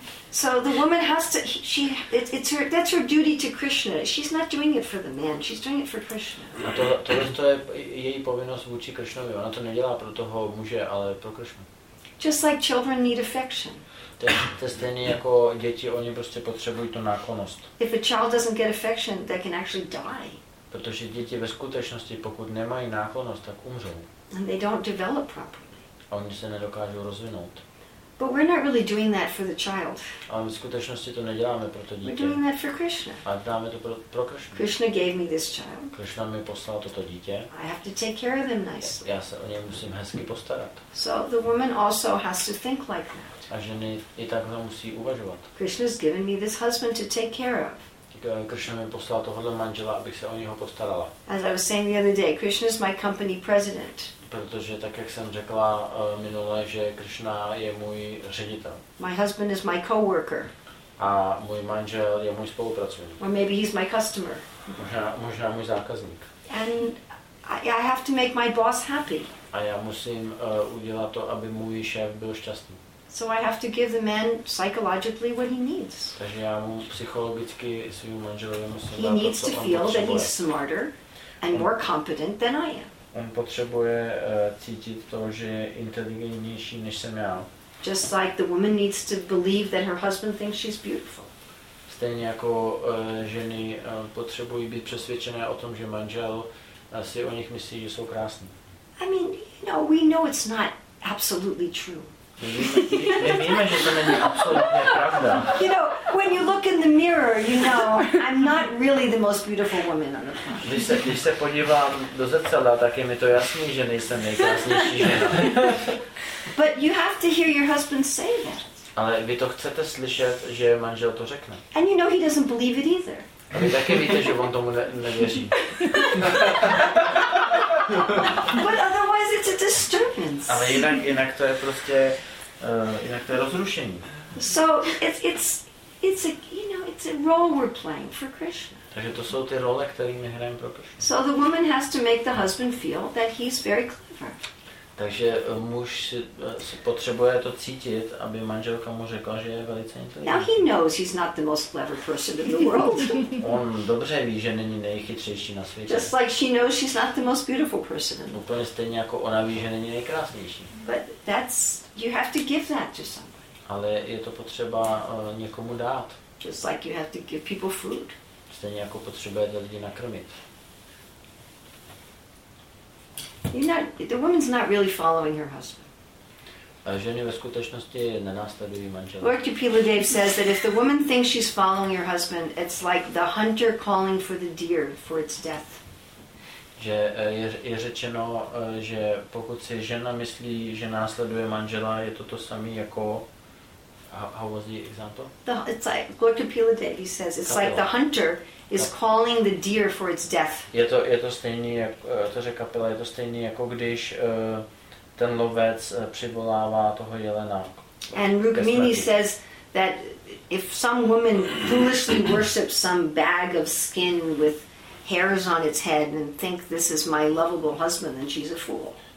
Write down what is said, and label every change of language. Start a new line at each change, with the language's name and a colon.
English: So the woman has to, that's her duty to Krishna. She's not doing it for the man, she's doing it for Krishna.
Czech: A to je její povinnost vůči Krishnovi. Ona to nedělá pro toho muže, ale pro Krishnu.
English: Just like children need affection.
Czech: To je stejný jako děti, oni prostě potřebují tu náklonost.
English: If a child doesn't get affection, they can actually die.
Czech: Protože děti ve skutečnosti, pokud nemají náklonost, tak umřou.
English: And they don't develop properly.
Czech: A oni se nedokážou rozvinout.
English: But we're not really doing that for the child.
Czech: Ale v skutečnosti to neděláme pro to dítě.
English: We're doing that for Krishna.
Czech: A dáme to pro Krishna.
English: Krishna gave me this child.
Czech: Krishna mi poslal toto dítě.
English: I have to take care of them nicely.
Czech: Já se o něj musím hezky postarat.
English: So the woman also has to think like that.
Czech: A ženy i takhle musí uvažovat.
English: Krishna's given me this husband to take care of.
Czech: Krishna mi poslal tohoto manžela, abych se o něho postarala.
English: As I was saying the other day, Krishna is my company president.
Czech: Protože tak jak jsem řekla minule, že Krishna je můj ředitel.
English: My husband is my coworker.
Czech: A můj manžel je můj spolupracovník.
English: Or maybe he's my customer.
Czech: Možná můj zákazník.
English: And I have to make my boss happy.
Czech: A já musím udělat to, aby můj šéf byl šťastný.
English: So I have to give the man psychologically what he needs.
Czech: Takže já mu psychologicky svému manželovi musím dát to, co on potřebuje.
English: He needs to feel that he's smarter and more competent than I am.
Czech: On potřebuje cítit to, že je inteligentnější než jsem já.
English: Just like the woman needs to believe that her husband thinks she's beautiful.
Czech: Stejně jako ženy potřebují být přesvědčené o tom, že manžel si o nich myslí, že jsou krásný.
English: I mean, you know, we know it's not absolutely true. You know, when you look in the mirror, you know I'm not really the most beautiful woman on the planet.
Czech: Když se podívám do zrcadla, tak je mi to jasný, že nejsem nejkrásnější žena.
English: But you have to hear your husband say that.
Czech: Ale vy to chcete slyšet, že manžel to řekne.
English: And you know he doesn't believe it either.
Czech: A vy také víte, že on tomu nevěří.
English: But otherwise it's a disturbance.
Czech: Ale jinak to je prostě jinak to je rozrušení.
English: So it's a, you know, it's a role we're playing for Krishna.
Czech: Takže to jsou ty role, které my hrajeme pro Krishna.
English: So the woman has to make the husband feel that he's very clever.
Czech: Takže muž si potřebuje to cítit, aby manželka mu řekla, že je velice inteligentní.
English: Now he knows he's not the most clever person in the world.
Czech: On dobře ví, že není nejchytřejší na světě.
English: Just like she knows she's not the most beautiful person in the world.
Czech: Úplně stejně jako ona ví, že není nejkrásnější.
English: But that's, you have to give that to somebody.
Czech: Ale je to potřeba někomu dát.
English: Just like you have to give people food.
Czech: Stejně jako potřebujete lidi nakrmit.
English: You're not, the woman's not really following her husband.
Czech: A ženy ve skutečnosti nenásledují manžela.
English: Lord Kapila Dev says that if the woman thinks she's following her husband, it's like the hunter calling for the deer for its death.
Czech: Že je řečeno, že pokud si žena myslí, že následuje manžela, je to to samé jako
English: how was the example? It's like Lord Kapila Dev, he says, it's like the hunter is calling the deer for its death.
Czech: Je to stejný jako to řekla Kapila, je to stejný jako když ten lovec přivolává toho jelena.
English: And Rukmini says that if some woman foolishly worships some bag of skin with hairs on its head and think this is my lovable husband, then she's a fool.